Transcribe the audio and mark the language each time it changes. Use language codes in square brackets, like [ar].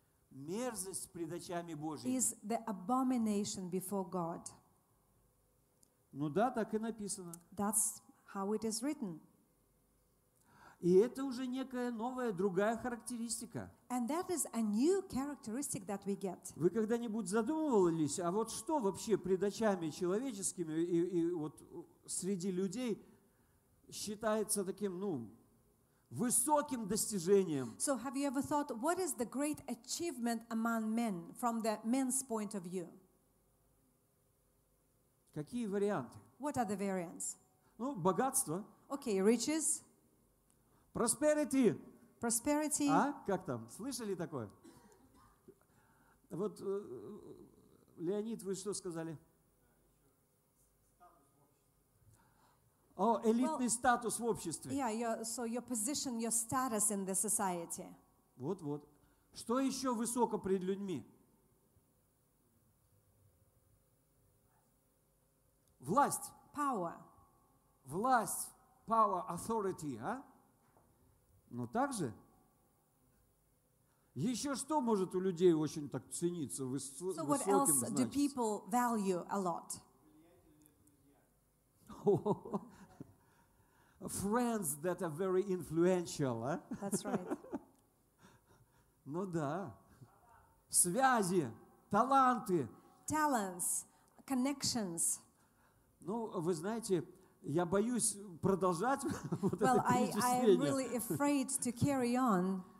[ru] мерзость пред очами Божьими, [en] is the abomination before God. [ru] Ну да, так и написано. [en] That's how it is written. [ru] И это уже некая новая, другая характеристика. [en] And that is a new characteristic that we get. [ru] Вы когда-нибудь задумывались, а вот что вообще пред очами человеческими и вот среди людей считается таким, ну, высоким достижением? [en] So have you ever thought, what is the great achievement among men, from the men's point of view? [ru] Какие варианты? [en] What are the variants? [ru] Ну, богатство. [en] Okay, riches. Prosperity. Prosperity. [ru] А? Как там? Слышали такое? Вот, Леонид, вы что сказали? О, элитный статус в обществе. [en] Yeah, so your position, your status in the society. [ru] Вот-вот. Что еще высоко пред людьми? Власть. [en] Power. [ru] Власть, [en] power, authority, [ru] а? Но также еще что может у людей очень так цениться высоким? [en] So what else do people value a lot? Friends that are very influential, а? That's right. [ru] Ну да. Связи, таланты. [en] Talents, connections. [ru] Ну, вы знаете, я боюсь продолжать [en] well, [ru] вот это перечисление, [en] really afraid to carry on,